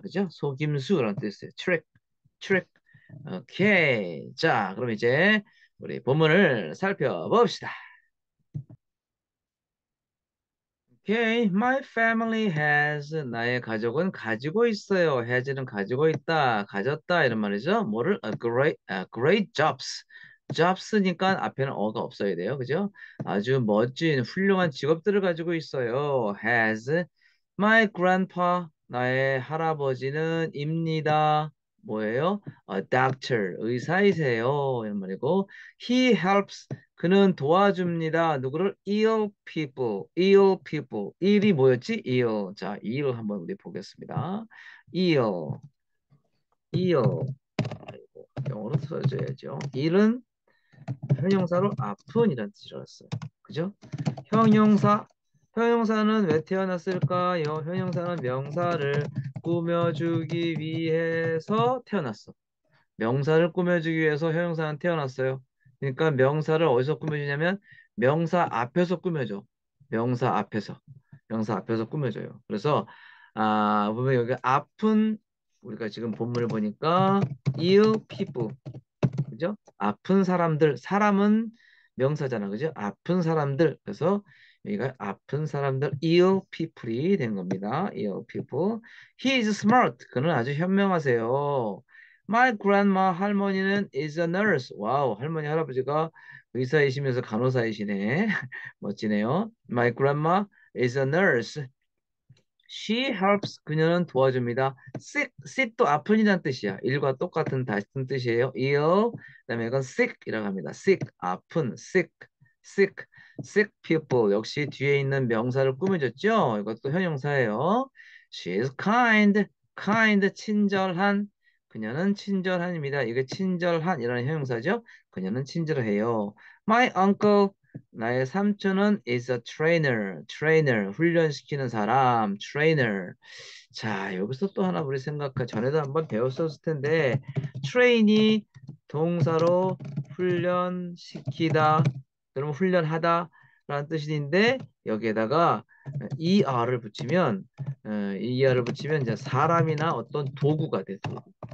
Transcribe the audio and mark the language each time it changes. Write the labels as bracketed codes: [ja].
[ko] 그죠? 속임수라는 뜻이에요. 트릭. 트릭. 오케이. 자, 그럼 이제 우리 본문을 살펴봅시다. 오케이. [en] My family has [ko] 나의 가족은 가지고 있어요. has는 가지고 있다. 가졌다 이런 말이죠. 뭐를 [en] great jobs. [ko] 잡스니까 앞에는 어가 없어야 돼요. 그죠? 아주 멋진 훌륭한 직업들을 가지고 있어요. [en] has my grandpa [ko] 나의 할아버지는 입니다. 뭐예요? [en] a doctor [ko] 의사이세요. 이런 말이고 [en] he helps [ko] 그는 도와줍니다. 누구를? [en] ill people. ill people. ill이 뭐였지? ill. [ko] 자, ill 한번 우리 보겠습니다. ill. ill. 영어로 써줘야죠. ill은 형용사로 아픈 이란 뜻이 들어갔어요. 그죠? 형용사. 형용사는 왜 태어났을까요? 형용사는 명사를 꾸며주기 위해서 태어났어. 명사를 꾸며주기 위해서 형용사는 태어났어요. 그러니까 명사를 어디서 꾸며주냐면 명사 앞에서 꾸며줘. 명사 앞에서. 명사 앞에서 꾸며줘요. 그래서 아, 보면 여기 아픈 우리가 지금 본문을 보니까 [en] ill people. [ko] 그죠? 아픈 사람들 사람은 명사잖아 그죠? 아픈 사람들 그래서 여기가 아픈 사람들 [en] ill people [ko] 이 된 겁니다. [en] ill people. He is smart. [ko] 그는 아주 현명하세요. [en] My grandma [ko] 할머니는 [en] is a nurse. [ko] 와우 할머니 할아버지가 의사이시면서 간호사이시네. 멋지네요. [en] My grandma is a nurse. She helps. [ko] 그녀는 도와줍니다. sick도 아픈이란 뜻이야. 일과 똑같은 다른 뜻이에요. [en] ill. [ko] 그다음에 이건 sick이라고 합니다. sick 아픈 sick sick [en] sick people [ko] 역시 뒤에 있는 명사를 꾸며줬죠. 이것도 형용사예요. [en] She is kind. kind 친절한. [ko] 그녀는 친절한입니다. 이게 친절한이라는 형용사죠. 그녀는 친절해요. [en] My uncle. [ko] 나의 삼촌은 [en] is a trainer, trainer [ko] 훈련시키는 사람, [en] trainer. [ko] 자, 여기서 또 하나 우리 생각해 전에도 한번 배웠었을 텐데, 트레이니 동사로 훈련시키다, 그러면 훈련하다라는 뜻인데 여기에다가 er을 붙이면 er을 붙이면 이제 사람이나 어떤 도구가 돼. 도구.